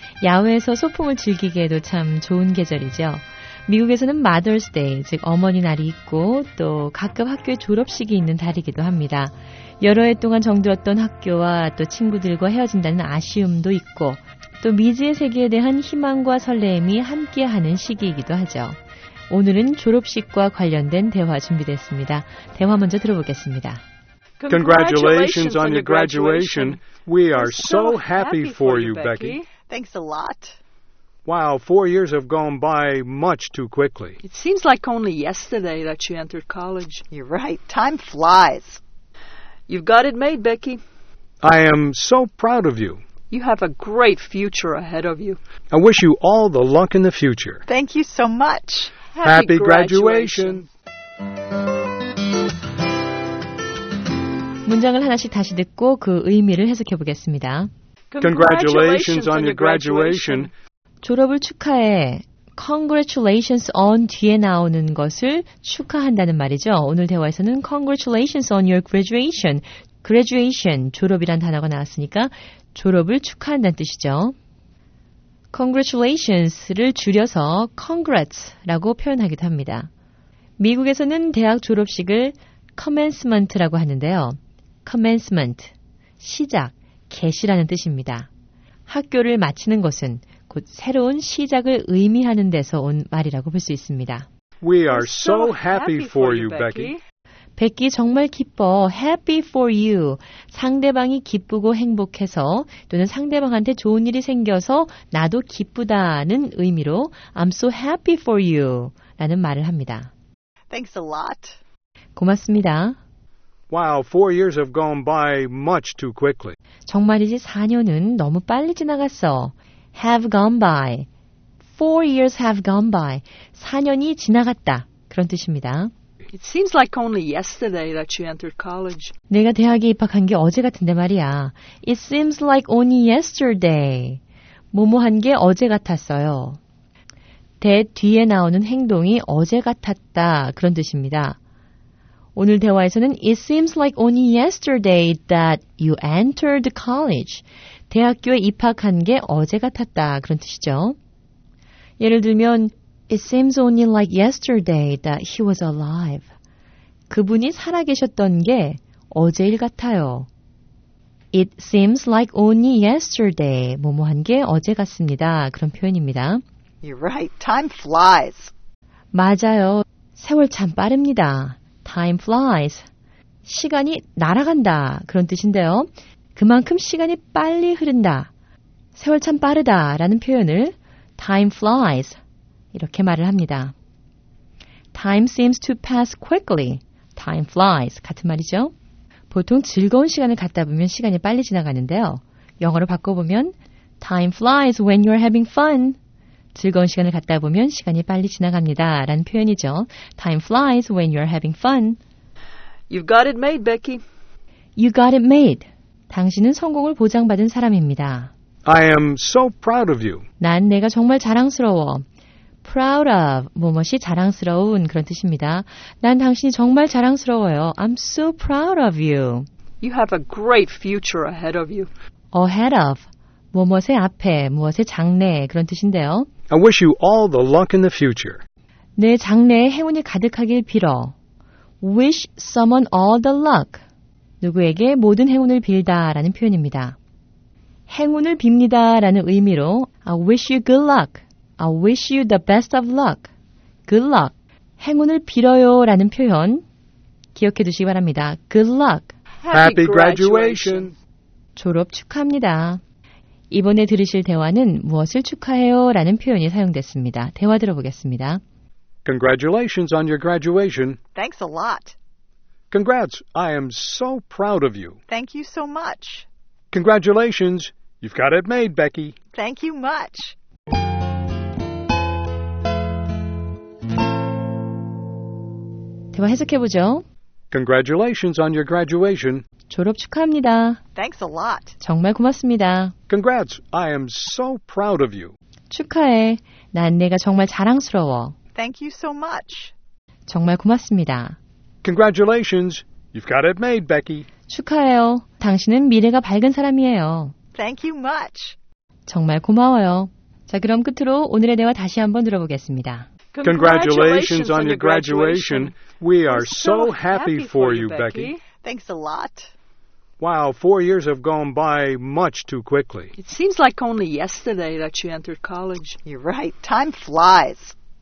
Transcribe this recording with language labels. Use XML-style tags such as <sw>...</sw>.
<ko>야외에서 소풍을 즐기기에도 참 좋은 계절이죠. 미국에서는 Mother's Day, 즉 어머니 날이 있고 또 가끔 학교의 졸업식이 있는 달이기도 합니다. 여러 해 동안 정들었던 학교와 또 친구들과 헤어진다는 아쉬움도 있고 또 미지의 세계에 대한 희망과 설렘이 함께하는 시기이기도 하죠. 오늘은 졸업식과 관련된 대화 준비됐습니다. 대화 먼저 들어보겠습니다.</ko> <en>Congratulations on your graduation. We are so happy for you, Becky. Thanks a lot. Wow, 4 years have gone by much too quickly. It seems like only yesterday that you entered college. You're right. Time flies. You've got it made, Becky. I am so proud of you. You have a great future ahead of you. I wish you all the luck in the future. Thank you so much. Happy graduation.</en> <ko>문장을 하나씩 다시 듣고 그 의미를 해석해 보겠습니다.</ko> <en>Congratulations on your graduation.</en> <ko>졸업을 축하해. Congratulations on 뒤에 나오는 것을 축하한다는 말이죠. 오늘 대화에서는</ko> <en>Congratulations on your graduation.</en> <ko>Graduation, 졸업이란 단어가 나왔으니까 졸업을 축하한다는 뜻이죠. Congratulations를 줄여서 Congrats라고 표현하기도 합니다. 미국에서는 대학 졸업식을 Commencement라고 하는데요. Commencement, 시작, 개시라는 뜻입니다. 학교를 마치는 것은 곧 새로운 시작을 의미하는 데서 온 말이라고 볼 수 있습니다.</ko> <en>We are so happy for you, Becky.</en> <ko>백기 정말 기뻐.</ko> <en>Happy for you.</en> <ko>상대방이 기쁘고 행복해서 또는 상대방한테 좋은 일이 생겨서 나도 기쁘다는 의미로</ko> <en>I'm so happy for you</en> <ko>라는 말을 합니다.</ko> <en>Thanks a lot.</en> <ko>고맙습니다.</ko> <en>Wow, 4 years have gone by much too quickly.</en> <ko>정말이지 4년은 너무 빨리 지나갔어.</ko> <en>Have gone by. 4 years have gone by.</en> <ko>4년이 지나갔다. 그런 뜻입니다.</ko> <en>It seems like only yesterday that you entered college.</en> <ko>내가 대학에 입학한 게 어제 같은데 말이야.</ko> <en>It seems like only yesterday.</en> <ko>뭐뭐한 게 어제 같았어요. That 뒤에 나오는 행동이 어제 같았다. 그런 뜻입니다. 오늘 대화에서는</ko> <en>It seems like only yesterday that you entered college.</en> <ko>대학교에 입학한 게 어제 같았다. 그런 뜻이죠. 예를 들면</ko> <en>It seems only like yesterday that he was alive.</en> <ko>그분이 살아계셨던 게 어제일 같아요.</ko> <en>It seems like only yesterday.</en> <ko>뭐뭐한 게 어제 같습니다. 그런 표현입니다.</ko> <en>You're right. Time flies.</en> <ko>맞아요. 세월 참 빠릅니다.</ko> <en>Time flies.</en> <ko>시간이 날아간다. 그런 뜻인데요. 그만큼 시간이 빨리 흐른다. 세월 참 빠르다. 라는 표현을</ko> <en>Time flies.</en> <ko>이렇게 말을 합니다.</ko> <en>Time seems to pass quickly. Time flies.</en> <ko>같은 말이죠. 보통 즐거운 시간을 갖다 보면 시간이 빨리 지나가는데요. 영어로 바꿔보면</ko> <en>Time flies when you're having fun.</en> <ko>즐거운 시간을 갖다 보면 시간이 빨리 지나갑니다. 라는 표현이죠.</ko> <en>Time flies when you're having fun. You've got it made, Becky. You got it made.</en> <ko>당신은 성공을 보장받은 사람입니다.</ko> <en>I am so proud of you.</en> <ko>난 내가 정말 자랑스러워. Proud of, 무엇이 자랑스러운 그런 뜻입니다. 난 당신이 정말 자랑스러워요.</ko> <en>I'm so proud of you. You have a great future ahead of you.</en> <ko>Ahead of, 무엇의 앞에, 무엇의 장래 그런 뜻인데요.</ko> <en>I wish you all the luck in the future.</en> <ko>내 장래에 행운이 가득하길 빌어.</ko> <en>Wish someone all the luck.</en> <ko>누구에게 모든 행운을 빌다 라는 표현입니다. 행운을 빕니다 라는 의미로</ko> <en>I wish you good luck. I wish you the best of luck. Good luck.</en> <ko>행운을 빌어요 라는 표현 기억해 두시기 바랍니다.</ko> <en>Good luck. Happy graduation.</en> <ko>졸업 축하합니다. 이번에 들으실 대화는 무엇을 축하해요 라는 표현이 사용됐습니다. 대화 들어보겠습니다.</ko> <en>Congratulations on your graduation. Thanks a lot. Congrats. I am so proud of you. Thank you so much. Congratulations. You've got it made, Becky. Thank you much.</en> <ko>대화 해석해 보죠.</ko> <en>Congratulations on your graduation.</en> <ko>졸업 축하합니다.</ko> <en>Thanks a lot.</en> <ko>정말 고맙습니다.</ko> <en>Congrats. I am so proud of you.</en> <ko>축하해. 난 내가 정말 자랑스러워.</ko> <en>Thank you so much.</en> <ko>정말 고맙습니다.</ko> <en>Congratulations. You've got it made, Becky.</en> <ko>축하해요. 당신은 미래가 밝은 사람이에요.</ko> <en>Thank you much.</en> <ko>정말 고마워요. 자, 그럼 끝으로 오늘의 대화 다시 한번 들어보겠습니다.</ko> <en>Congratulations on your graduation. We are so happy for you, Becky. Thanks a lot. Wow, 4 years have gone by much too quickly. It seems like only yesterday that you entered college. You're right. Time flies.</en>